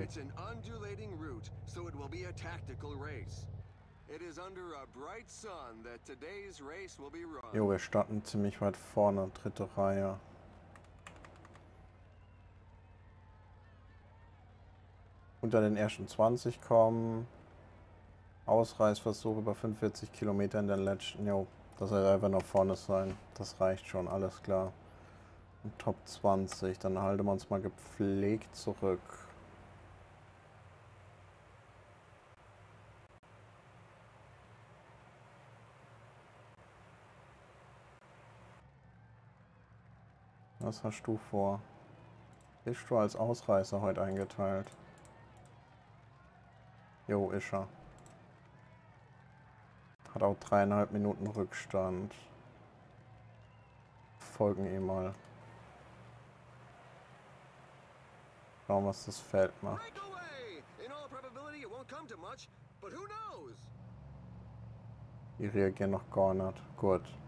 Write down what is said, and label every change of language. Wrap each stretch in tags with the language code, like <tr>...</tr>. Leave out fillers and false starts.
<en>It's an undulating route, so it will be a tactical race. It is under a bright sun that today's race will be run.</en> <de>Jo, wir starten ziemlich weit vorne, dritte Reihe. Unter den ersten 20 kommen. Ausreißversuch über 45 Kilometer in den letzten. Jo, das soll einfach noch vorne sein. Das reicht schon, alles klar. Und Top 20, dann halten wir uns mal gepflegt zurück. Was hast du vor? Bist du als Ausreißer heute eingeteilt? Jo, ist er. Hat auch 3,5 Minuten Rückstand. Folgen ihm mal. Schauen, was das Feld macht.</de> <en>In all probability it won't come to much, but who knows?</en> <de>Die reagieren noch gar nicht. Gut.</de>